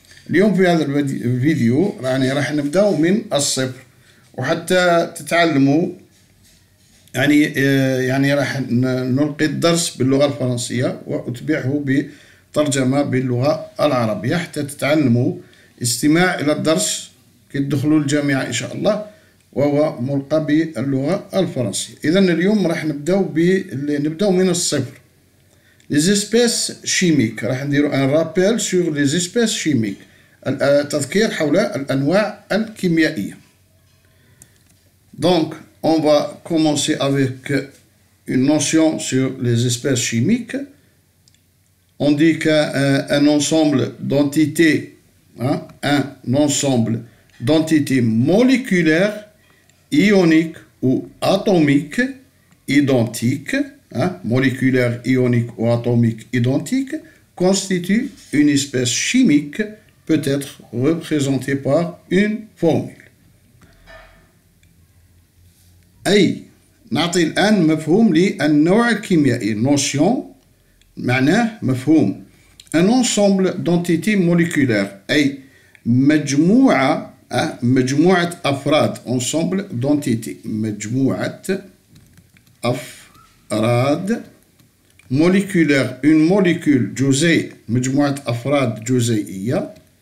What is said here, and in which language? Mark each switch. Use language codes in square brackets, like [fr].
[ar] اليوم في هذا الفيديو يعني راح نبدأ من الصفر، وحتى تتعلموا يعني راح نلقي الدرس باللغة الفرنسية وأتبعه بترجمة باللغة العربية، حتى تتعلموا استماع إلى الدرس كي تدخلوا الجامعة إن شاء الله وهو ملقى باللغة الفرنسية. إذن اليوم راح نبدأ من الصفر. [fr] Les espèces chimiques، [ar] راح نديروا [fr] un rappel sur les espèces chimiques، [ar] تذكير حول الأنواع الكيميائية. [fr] Donc on va commencer avec une notion sur les espèces chimiques. On dit qu'un ensemble d'entités, hein, un ensemble d'entités moléculaires, ioniques ou atomiques identiques, hein, moléculaires, ioniques ou atomiques identiques, constitue une espèce chimique, peut-être représentée par une formule. [ar] أي نعطي الآن مفهوم للنوع الكيميائي، notion معناه مفهوم. [fr] un ensemble d'entité moléculaire، [ar] أي مجموعة أفراد، [fr] ensemble d'entité [ar] مجموعة أفراد moléculaire، [fr] une molécule [ar] جزيء، مجموعة أفراد جزيئية.